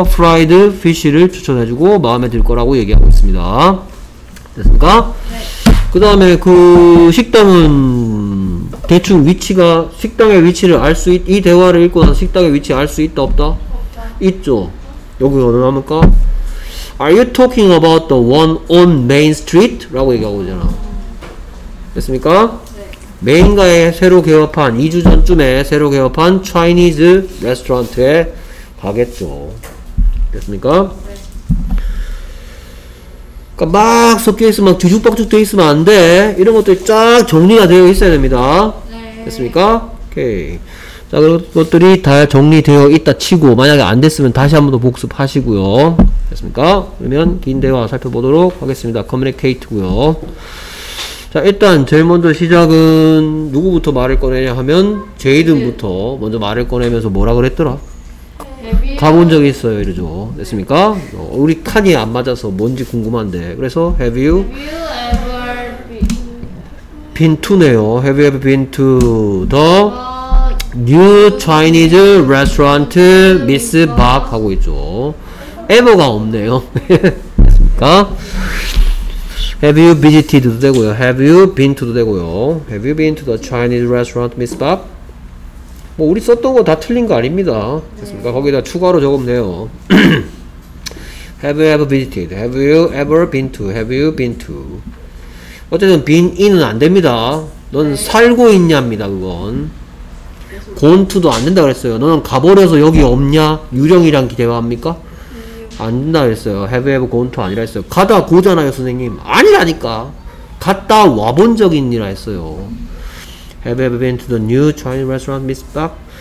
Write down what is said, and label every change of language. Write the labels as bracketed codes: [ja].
[ko] Fried Fish를 추천해주고 마음에 들 거라고 얘기하고 있습니다. 됐습니까? 네. 그 다음에 그 식당은 대충 위치가 식당의 위치를 알 수 있... 이 대화를 읽고 나서 식당의 위치 알 수 있다 없다? 없다. 있죠. 여기 어느 합니까? [en] Are you talking about the one on Main Street? [ko] 라고 얘기하고 있잖아. 됐습니까? 메인가에 새로 개업한 2주 전쯤에 새로 개업한 Chinese restaurant에 가겠죠. 됐습니까? 그러니까 막 섞여 있으면 막 뒤죽박죽 돼 있으면 안 돼. 이런 것들이 쫙 정리가 되어 있어야 됩니다. 됐습니까? 오케이. 자, 그것들이 다 정리되어 있다 치고 만약에 안 됐으면 다시 한 번 더 복습하시고요. 됐습니까? 그러면 긴 대화 살펴보도록 하겠습니다. Communicate고요. 자, 일단 제일 먼저 시작은 누구부터 말을 꺼내냐 하면 제이든부터 먼저 말을 꺼내면서 뭐라 그랬더라? 가본 적 있어요 이러죠. 됐습니까? 우리 칸이 안 맞아서 뭔지 궁금한데. 그래서 [en] Have you ever been [ko] been to네요. [en] Have you ever been to the new Chinese restaurant, Miss Bak [ko] 하고 있죠. ever가 없네요. 됐습니까? Have you visited도 되고요. [en] Have you been to도 되고요. Have you been to the Chinese restaurant, Miss Bak? [ko] 뭐 우리 썼던 거 다 틀린 거 아닙니다. 됐습니까? 네. 거기다 추가로 적으면 돼요. [en] Have you ever visited? Have you ever been to? Have you been to? [ko] 어쨌든 been in은 안 됩니다. 넌 네. 살고 있냐입니다. 그건. Gone to도 안 된다 그랬어요. 너는 가버려서 여기 없냐? 유령이랑 대화합니까? 안 된다 그랬어요. [en] Have you ever gone to [ko] 아니라 했어요. 가다 고잖아요 선생님. 아니라니까. 갔다 와본 적 있니라 했어요. [en] Have you ever been to the new Chinese restaurant, Miss Bak?